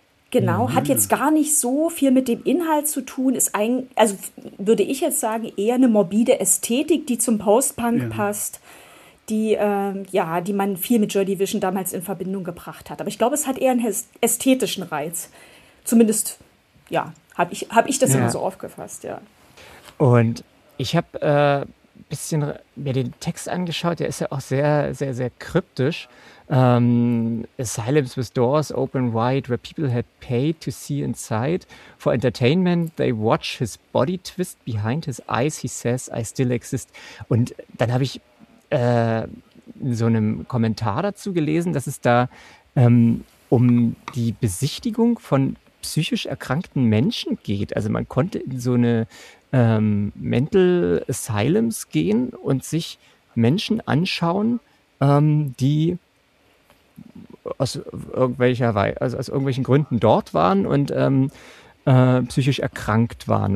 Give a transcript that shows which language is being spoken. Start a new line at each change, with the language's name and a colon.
German: Genau, hat jetzt gar nicht so viel mit dem Inhalt zu tun, ist eigentlich, also würde ich jetzt sagen, eher eine morbide Ästhetik, die zum Post-Punk passt, die, ja, die man viel mit Joy Division damals in Verbindung gebracht hat. Aber ich glaube, es hat eher einen ästhetischen Reiz. Zumindest, ja, hab ich das immer so aufgefasst, ja. Und ich habe ein bisschen mir den Text angeschaut, der ist ja auch sehr, sehr, sehr kryptisch.
English: Asylums with doors open wide where people had paid to see inside. For entertainment, they watch his body twist behind his eyes. He says, I still exist.
German: Und dann habe ich in so einem Kommentar dazu gelesen, dass es da um die Besichtigung von psychisch erkrankten Menschen geht. Also man konnte in so eine Mental Asylums gehen und sich Menschen anschauen, die aus irgendwelchen Gründen dort waren und psychisch erkrankt waren.